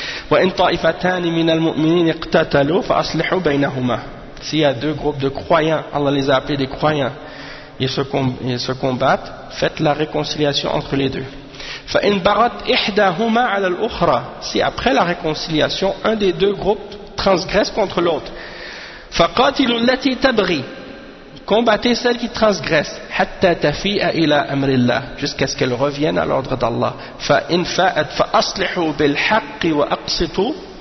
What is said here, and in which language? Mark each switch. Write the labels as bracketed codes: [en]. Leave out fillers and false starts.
[ar] وإن طائفتان من المؤمنين اقتتلوا فأصلحوا بينهما. [fr] S'il y a deux groupes de croyants, Allah les a appelés des croyants, ils se combattent, faites la réconciliation entre les deux. [ar] فإن بغت إحداهما على الأخرى. [fr] Si après la réconciliation, un des deux groupes transgresse contre l'autre. [ar] فقاتلوا التي تبغي. [fr] Combattez celle qui transgresse, [ar] hatta tafi'a ila amrillah, [fr] jusqu'à ce qu'elle revienne à l'ordre d'Allah. [ar] Fa in fa'at fa aslihu bil haqq wa aqsitu.